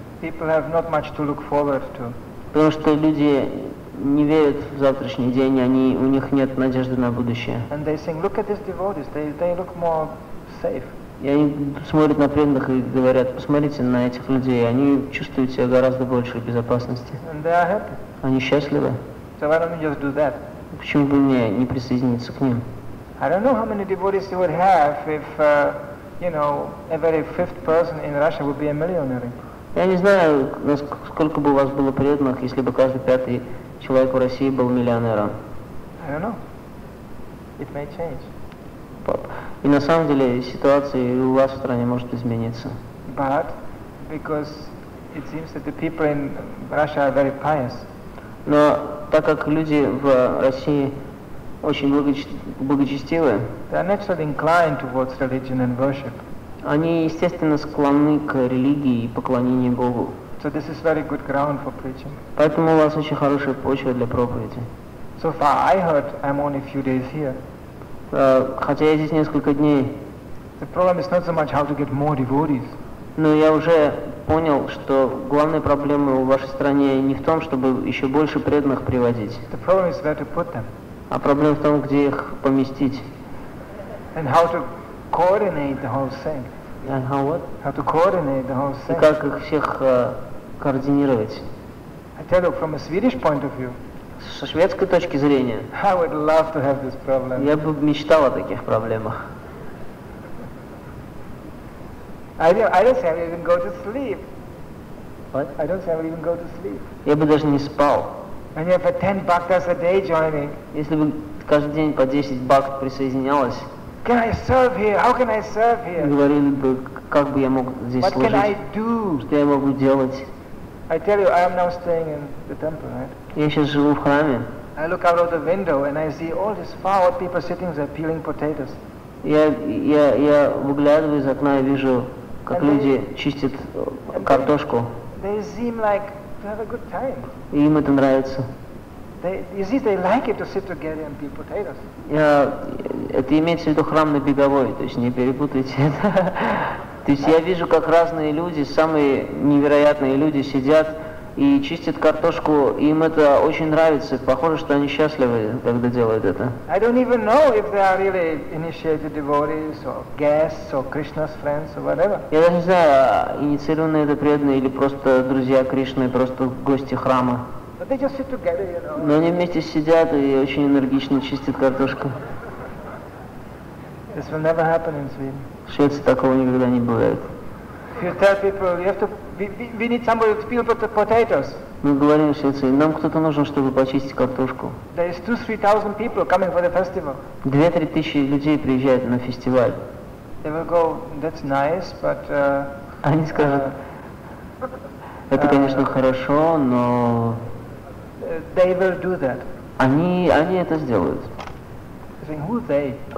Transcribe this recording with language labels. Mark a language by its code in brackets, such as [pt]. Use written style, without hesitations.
[en] People have not much to look forward to. [ru] Потому что люди не верят в завтрашний день, они, у них нет надежды на будущее. [en] And they think, look at these devotees, they look more safe. [ru] И они смотрят на преданных и говорят, посмотрите на этих людей, они чувствуют себя гораздо больше в безопасности. [en] And they are happy. [ru] Они счастливы. [en] So why don't we just do that? [ru] Почему бы мне не присоединиться к ним? [en] I don't know how many devotees you would have if, you know, every fifth person in Russia would be a millionaire. [ru] Я не знаю, сколько бы у вас было преданных, если бы каждый пятый человек в России был миллионером. [en] I don't know. It may change. [ru] И на самом деле ситуация и у вас в стране может измениться. [en] But because it seems that the people in Russia are very pious. [ru] Но так как люди в России очень благочестивы, [en] they are naturally inclined towards religion and worship. [ru] Они естественно склонны к религии и поклонению Богу. [en] So this is very good ground for preaching. [ru] Поэтому у вас очень хорошая почва для проповеди. [en] So far I heard I'm only a few days here. [ru] Хотя я здесь несколько дней. [en] The problem is not so much how to get more devotees. [ru] Но я уже понял, что главная проблема в вашей стране не в том, чтобы еще больше преданных приводить. [en] The problem is where to put them. [ru] А проблема в том, где их поместить. [en] And how to coordinate the whole thing. And how what? How to coordinate the whole thing. [ru] И как их всех координировать. [en] I tell you, from a Swedish point of view, [ru] со шведской точки зрения, [en] I would love to have this problem. [ru] Я бы мечтал о таких проблемах. [en] I don't say I would even go to sleep. What? I don't say I would even go to sleep. [ru] Я бы даже не спал. [en] And you have 10 bhaktas a day joining. [ru] Если бы каждый день по 10 бхакт присоединялось. [en] Can I serve here? How can I serve here? [ru] Говорили бы, как бы я мог здесь [en] what [ru] служить. [en] What can I do? [ru] Что я могу делать? [en] I tell you, I am now staying in the temple, right? [ru] Я сейчас живу в храме. [en] I look out of the window and I see all these flower people sitting there peeling potatoes. [ru] Я выглядываю из окна и вижу, как люди чистят картошку. [en] They seem like to have a good time. [ru] И им это нравится. [en] They like it to sit together and peel potatoes. [ru] Это имеется в виду храм на Беговой, то есть не перепутайте это. То есть я вижу, как разные люди, самые невероятные люди сидят и чистят картошку, и им это очень нравится. Похоже, что они счастливы, когда делают это. [en] I don't even know if they are really initiated devotees or guests or Krishna's friends or whatever. [ru] Я даже не знаю, инициированные это преданные или просто друзья Кришны, просто гости храма. [en] But they just sit together, you know. [ru] Но они вместе сидят и очень энергично чистят картошку. [en] This will never happen in Sweden. [ru] Швеции такого никогда не бывает. [en] You tell people, you have to, we need somebody to peel potatoes. [ru] Мы говорим в Швеции, нам кто-то нужен, чтобы почистить картошку. [en] There is 2-3 thousand people coming for the festival. [ru] 2-3 тысячи людей приезжают на фестиваль. [en] They will go, that's nice, but. [ru] Они скажут, это конечно хорошо, но. [en] They will do that. [ru] Они это сделают. [en] Saying, who they?